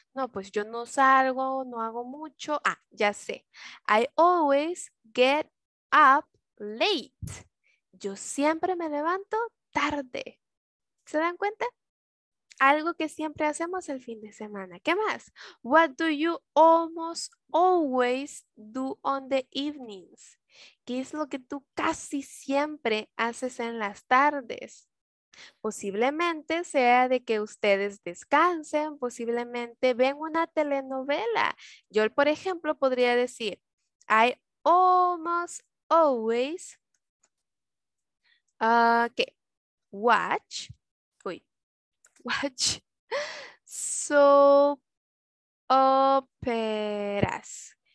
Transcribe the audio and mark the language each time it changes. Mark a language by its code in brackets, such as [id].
[es] No, pues yo no salgo, no hago mucho. Ah, ya sé. [en] I always get up late. [es] Yo siempre me levanto tarde. ¿Se dan cuenta? Algo que siempre hacemos el fin de semana. ¿Qué más? [en] What do you almost always do on the evenings? [es] ¿Qué es lo que tú casi siempre haces en las tardes? Posiblemente sea de que ustedes descansen, posiblemente ven una telenovela. Yo, por ejemplo, podría decir, [en] I almost always watch soap operas.